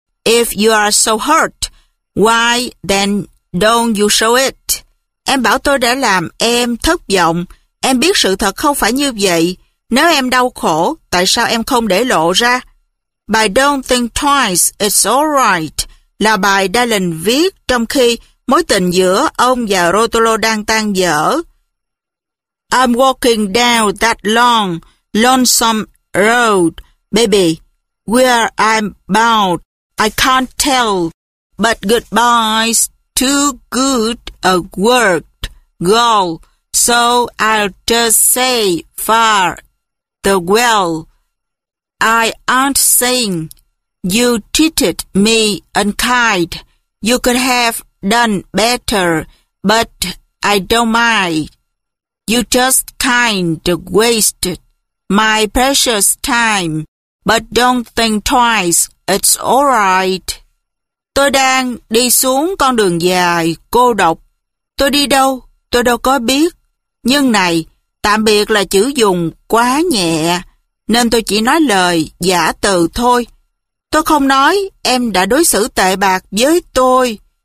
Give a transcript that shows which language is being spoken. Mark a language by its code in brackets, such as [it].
[en] If you are so hurt, why then don't you show it? [vi] Em bảo tôi đã làm em thất vọng. Em biết sự thật không phải như vậy. Nếu em đau khổ, tại sao em không để lộ ra? Bài Don't Think Twice, It's Alright là bài Dylan viết trong khi mối tình giữa ông và Rotolo đang tan vỡ. [en] I'm walking down that long, lonesome road, baby. Where I'm bound, I can't tell. But goodbye's too good a word, girl. So I'll just say far the well. I aren't saying you treated me unkind. You could have done better, but I don't mind. You just kind of wasted my precious time. But don't think twice, it's all right. [vi] Tôi đang đi xuống con đường dài, cô độc. Tôi đi đâu? Tôi đâu có biết. Nhưng này, tạm biệt là chữ dùng quá nhẹ, nên tôi chỉ nói lời giả từ thôi. Tôi không nói em đã đối xử tệ bạc với tôi.